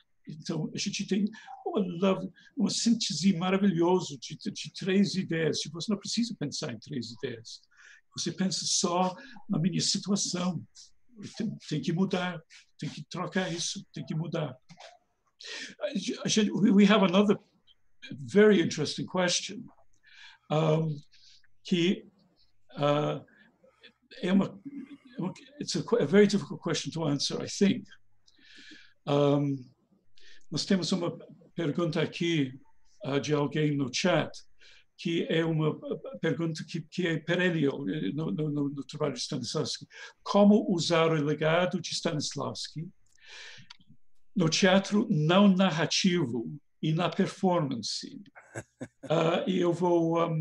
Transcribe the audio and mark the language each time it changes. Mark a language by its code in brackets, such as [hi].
[pt] Então, a gente tem uma síntese maravilhosa de três ideias. Você não precisa pensar em três ideias. Você pensa só na minha situação. Tem que mudar, tem que trocar isso, tem que mudar. [en] We have another very interesting question, it's a very difficult question to answer, I think. [pt] Nós temos uma pergunta aqui de alguém no chat, que é uma pergunta que é perenio no trabalho de Stanislavski. Como usar o legado de Stanislavski no teatro não narrativo e na performance? E eu vou